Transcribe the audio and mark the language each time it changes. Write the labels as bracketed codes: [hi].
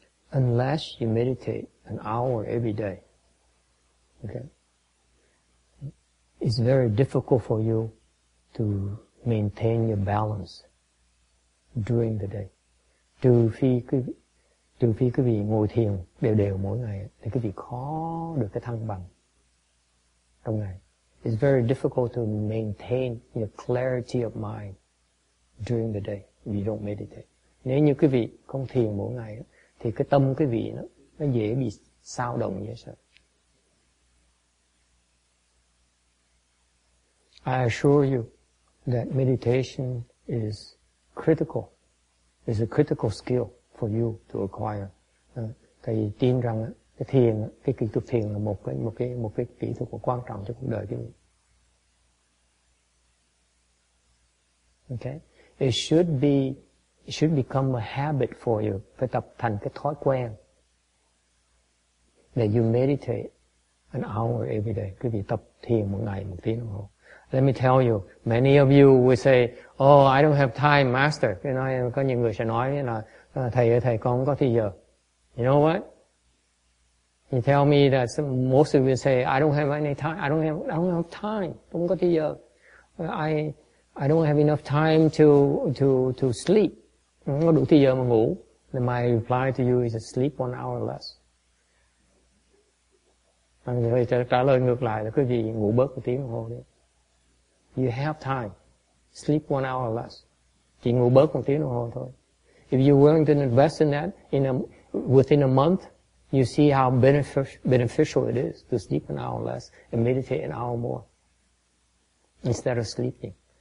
[en] Unless you meditate an hour every day, okay, it's very difficult for you to maintain your balance during the day. [vi] Trừ phi quý vị ngồi thiền đều đều mỗi ngày thì quý vị khó được cái thăng bằng trong ngày. [en] It's very difficult to maintain your clarity of mind during the day if you don't meditate. [vi] Nếu như quý vị không thiền mỗi ngày thì cái tâm quý vị nó dễ bị xao động như vậy. [en] I assure you that meditation is critical. It's a critical skill for you to acquire. [vi] Thầy tin rằng cái thiền, cái kỹ thuật thiền là một cái kỹ thuật quan trọng cho cuộc đời quý vị. [en] Okay, it should become a habit for you. [vi] Phải tập thành cái thói quen [en] that you meditate an hour every day. [vi] Quý vị tập thiền một ngày một tiếng đồng hồ. [en] Let me tell you, many of you will say, "Oh, I don't have time, Master." You know, [vi] có nhiều người sẽ nói là thầy ơi, thầy con không có thời giờ. [en] You know what? You tell me that most of you say, "I don't have any time. I don't have time. [vi] Không có thời giờ. [en] I don't have enough time to sleep." [vi] Không có đủ thời giờ mà ngủ. [en] Then my reply to you is to sleep 1 hour less. [vi] Thầy trả lời ngược lại là quý vị ngủ bớt một tiếng đồng hồ đi. [en] You have time. Sleep 1 hour or less. [vi] Chỉ ngủ bớt một tiếng đồng hồ thôi. [en] If you're willing to invest in that within a month, you see how beneficial it is to sleep 1 hour less and meditate 1 hour more instead of sleeping.